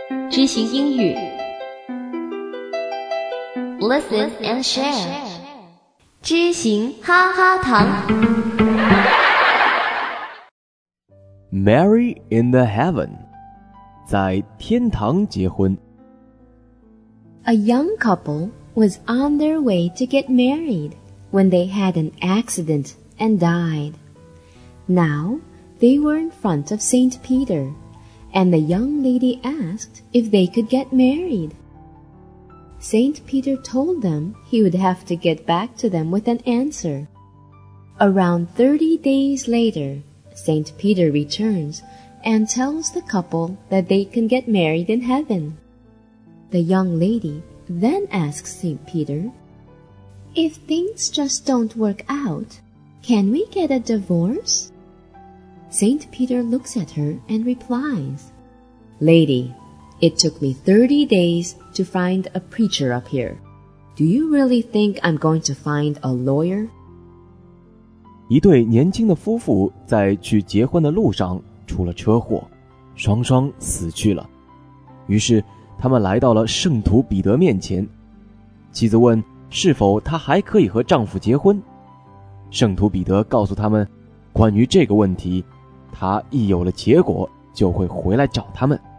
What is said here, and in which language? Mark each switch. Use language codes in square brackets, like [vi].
[zh] 知行英语 [en] Listen and share [zh] 知行哈哈堂 [en] Mary in the heaven [zh] 在天堂结婚 [en] A young couple was on their way to get married when they had an accident and died. Now, they were in front of St. Peter. And the young lady asked if they could get married. Saint Peter told them he would have to get back to them with an answer. Around 30 days later, Saint Peter returns and tells the couple that they can get married in heaven. The young lady then asks Saint Peter, If things just don't work out, can we get a divorce? Saint Peter looks at her and replies, Lady, it took me 30 days to find a preacher up here. Do you really think I'm going to find a lawyer? [zh] 一对年轻的夫妇在去结婚的路上出了车祸，双双死去了。于是他们来到了圣徒彼得面前。妻子问是否她还可以和丈夫结婚。圣徒彼得告诉他们，关于这个问题他一有了结果就会回来找他们。